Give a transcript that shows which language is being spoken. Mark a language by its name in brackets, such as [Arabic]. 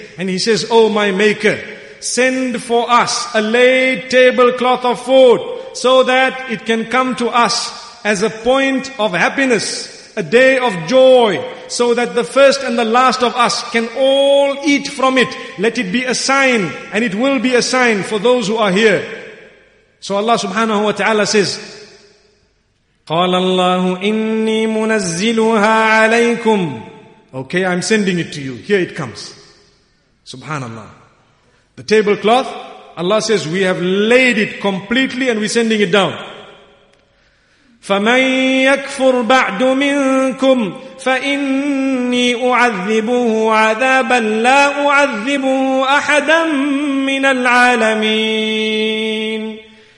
[English] And he says, oh my maker, send for us a laid tablecloth of food so that it can come to us as a point of happiness, a day of joy, so that the first and the last of us can all eat from it. Let it be a sign, and it will be a sign for those who are here. So Allah subhanahu wa ta'ala says, [Arabic] قال الله إني منزلها عليكم. [English] Okay, I'm sending it to you. Here it comes. Subhanallah. The tablecloth, Allah says, we have laid it completely and we're sending it down. [Arabic] فَمَنْ يَكْفُرْ بَعْدُ مِنْكُمْ فَإِنِّي أُعَذِّبُهُ عَذَابًا لَا أُعَذِّبُهُ أَحَدًا مِّنَ الْعَالَمِينَ.